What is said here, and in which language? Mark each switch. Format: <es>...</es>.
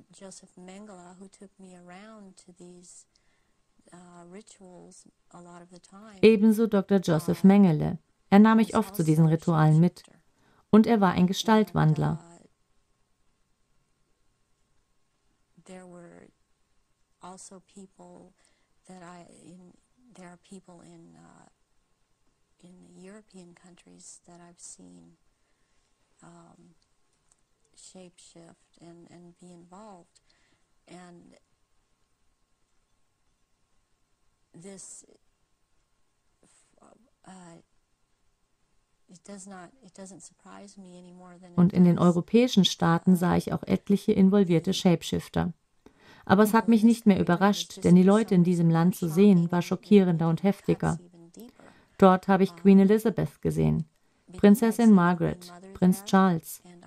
<en>Joseph Mengele, who took me around to these rituals a lot of the time.</en> <de>Ebenso Dr. Joseph Mengele. Er nahm mich oft zu diesen Ritualen mit. Und er war ein Gestaltwandler.</de> <en>There were also people that there are people in the European countries that I've seen shapeshift and be involved, and this it doesn't surprise me any more than.</en> <de>Und in den europäischen Staaten sah ich auch etliche involvierte Shapeshifter. Aber es hat mich nicht mehr überrascht, denn die Leute in diesem Land zu sehen war schockierender und heftiger. Dort habe ich Queen Elizabeth gesehen, Prinzessin Margaret, Prinz Charles.</de>